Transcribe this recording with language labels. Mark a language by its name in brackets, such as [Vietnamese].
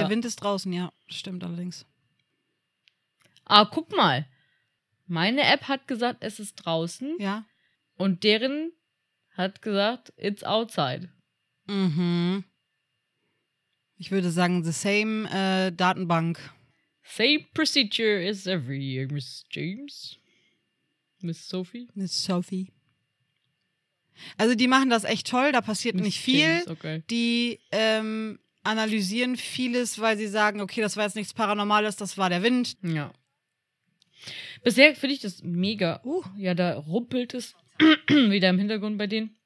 [German] Der Wind ist draußen, ja. Stimmt allerdings. Ah, guck mal. Meine App hat gesagt, es ist draußen. Ja. Und deren hat gesagt, [English] it's outside. [German] Mhm. Ich würde sagen, [English] the same [German] Datenbank. [English] Same procedure as every year, Miss James. Miss Sophie. Miss Sophie. [German] Also die machen das echt toll, da passiert [English] Miss [German] nicht viel. James, okay. Die analysieren vieles, weil sie sagen, okay, das war jetzt nichts Paranormales, das war der Wind. Ja. Bisher finde ich das mega. Ja, da rumpelt es wieder im Hintergrund bei denen.